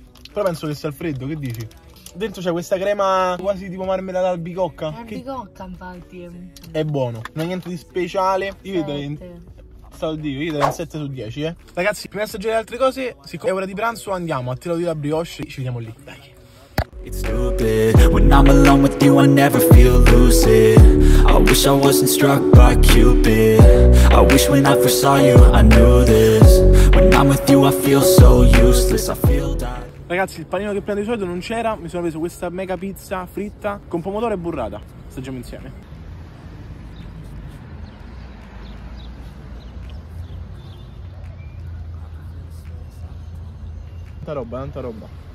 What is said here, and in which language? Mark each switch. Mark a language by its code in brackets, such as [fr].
[it] Però penso che sia al freddo, che dici? Dentro c'è questa crema quasi tipo marmellata albicocca. Albicocca, infatti. È buono. Non è niente di speciale. Io vedrei. Io darei un 7 su 10, Ragazzi, prima di assaggiare altre cose, siccome è ora di pranzo, andiamo a tirare la brioche. Ci vediamo lì, dai. [en] It's stupid, when I'm alone with you I never feel lucid. I wish I wasn't struck by Cupid. I wish when I first saw you I knew this. When I'm with you I feel so useless, I feel dead. [it] Ragazzi, il panino che prendo di solito non c'era. Mi sono preso questa mega pizza fritta con pomodoro e burrata. Assaggiamo insieme. Tanta roba, tanta roba.